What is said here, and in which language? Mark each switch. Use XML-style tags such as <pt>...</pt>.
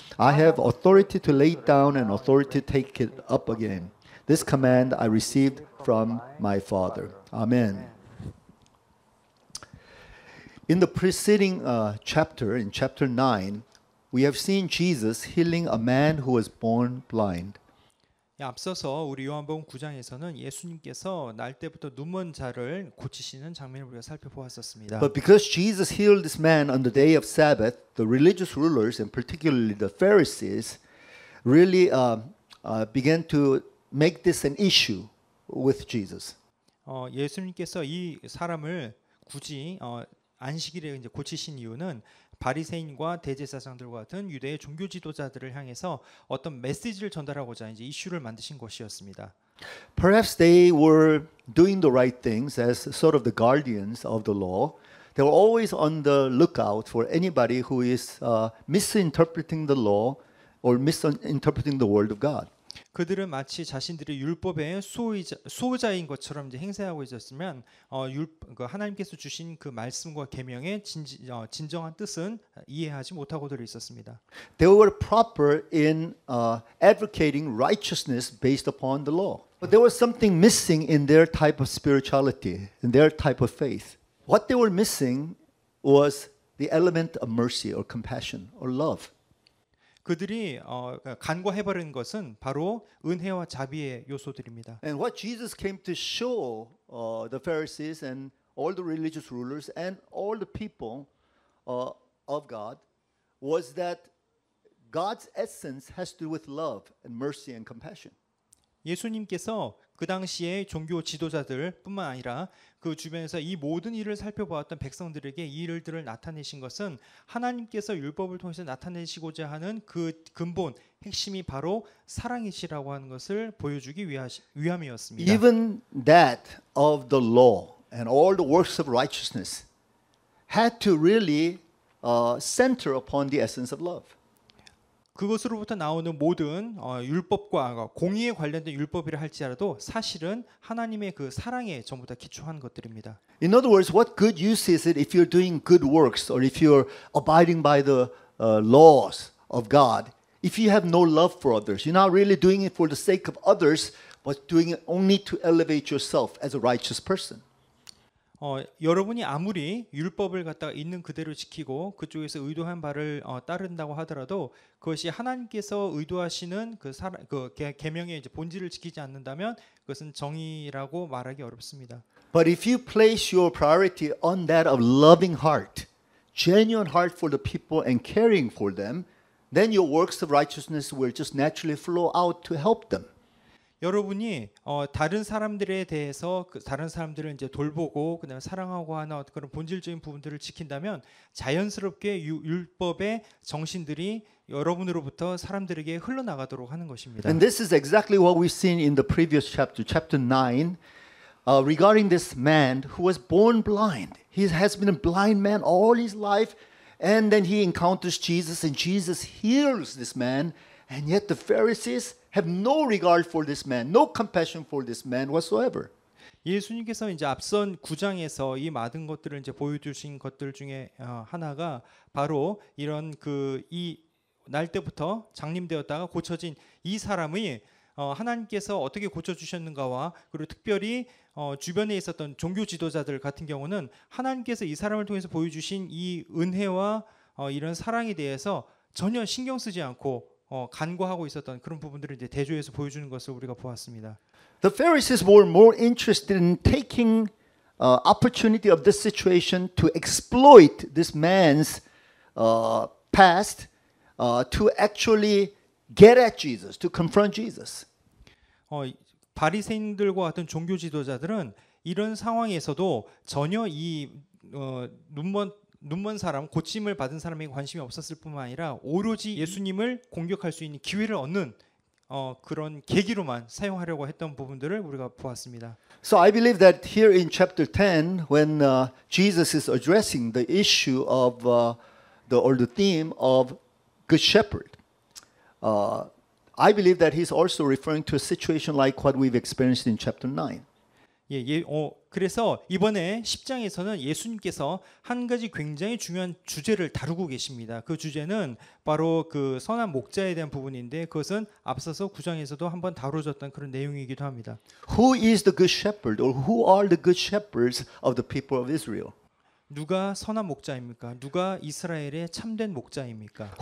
<en>I have authority to lay down and authority to take it up again. This command I received from my Father. Amen. In the preceding chapter, in chapter 9, we have seen Jesus healing a man who was born blind.</en> <ko>앞서서 우리 요한복음 9장에서는 예수님께서 날 때부터 눈먼 자를 고치시는 장면을 우리가 살펴보았었습니다.</ko> <en>But because Jesus healed this man on the day of Sabbath, the religious rulers and particularly the Pharisees really began to make this an issue with Jesus.</en> <ko>예수님께서 이 사람을 굳이 안식일에 이제 고치신 이유는 바리새인과 대제사장들과 같은 유대의 종교 지도자들을 향해서 어떤 메시지를 전달하고자 이제 이슈를 만드신 것이었습니다.</ko> <en>Perhaps they were doing the right things as sort of the guardians of the law. They were always on the lookout for anybody who is misinterpreting the law or misinterpreting the word of God.</en> <ko>그들은 마치 자신들의 율법의 수호자인 것처럼 이제 행세하고 있었으면 하나님께서 주신 그 말씀과 계명의 진정한 뜻은 이해하지 못하고들 있었습니다.</ko> <en>They were proper in advocating righteousness based upon the law. But there was something missing in their type of spirituality, in their type of faith. What they were missing was the element of mercy or compassion or love.</en> <ko>그들이 간과해버린 것은 바로 은혜와 자비의 요소들입니다.</ko> <en>And what Jesus came to show the Pharisees and all the religious rulers and all the people of God was that God's essence has to do with love and mercy and compassion.</en> <ko>예수님께서 그 당시에 종교 지도자들뿐만 아니라 그 주변에서 이 모든 일을 살펴보았던 백성들에게 이 일들을 나타내신 것은 하나님께서 율법을 통해서 나타내시고자 하는 그 근본 핵심이 바로 사랑이시라고 하는 것을 보여주기 위함이었습니다.</ko> <en>Even that of the law and all the works of righteousness had to really center upon the essence of love.</en> <ko>그것으로부터 나오는 모든 율법과 공의에 관련된 율법이라 할지라도 사실은 하나님의 그 사랑에 전부 다 기초한 것들입니다.</ko> <en>In other words, what good use is it if you're doing good works or if you're abiding by the laws of God? If you have no love for others, you're not really doing it for the sake of others, but doing it only to elevate yourself as a righteous person.</en> <ko>여러분이 아무리 율법을 갖다가 있는 그대로 지키고 그쪽에서 의도한 바를 따른다고 하더라도 그것이 하나님께서 의도하시는 계명의 이제 본질을 지키지 않는다면 그것은 정의라고 말하기 어렵습니다.</ko> <en>But if you place your priority on that of loving heart, genuine heart for the people and caring for them, then your works of righteousness will just naturally flow out to help them.</en> <ko>여러분이 다른 사람들에 대해서 다른 사람들을 이제 돌보고 그다음에 사랑하고 하는 그런 본질적인 부분들을 지킨다면 자연스럽게 율법의 정신들이 여러분으로부터 사람들에게 흘러나가도록 하는 것입니다.</ko> <en>And this is exactly what we've seen in the previous chapter, chapter 9, regarding this man who was born blind. He has been a blind man all his life, and then he encounters Jesus, and Jesus heals this man, and yet the Pharisees have no regard for this man, no compassion for this man whatsoever.</en> <ko>예수님께서 이제 앞선 9장에서 이 많은 것들을 이제 보여주신 것들 중에 하나가 바로 이런 그 이 날 때부터 장님되었다가 고쳐진 이 사람이 하나님께서 어떻게 고쳐주셨는가와 그리고 특별히 주변에 있었던 종교 지도자들 같은 경우는 하나님께서 이 사람을 통해서 보여주신 이 은혜와 이런 사랑에 대해서 전혀 신경 쓰지 않고 간과하고 있었던 그런 부분들을 이제 대조해서 보여주는 것을 우리가 보았습니다.</ko> <en>The Pharisees were more interested in taking opportunity of this situation to exploit this man's past to actually get at Jesus, to confront Jesus.</en> <ko>바리새인들과 같은 종교 지도자들은 이런 상황에서도 전혀 이 눈먼 사람, 고침을 받은 사람에게 관심이 없었을 뿐만 아니라 오로지 예수님을 공격할 수 있는 기회를 얻는 그런 계기로만 사용하려고 했던 부분들을 우리가 보았습니다.</ko> <en>So I believe that here in chapter 10, when Jesus is addressing the issue of the theme of good shepherd, I believe that he's also referring to a situation like what we've experienced in chapter 9.</en> <ko>그래서 이번에 10장에서는 예수님께서 한 가지 굉장히 중요한 주제를 다루고 계십니다. 그 주제는 바로 그 선한 목자에 대한 부분인데 그것은 앞서서 9장에서도 한번 다뤄졌던 그런 내용이기도 합니다.</ko> <en>Who is the good shepherd or who are the good shepherds of the people of Israel?</en> <ko>누가 선한 목자입니까? 누가 이스라엘의 참된 목자입니까?</ko>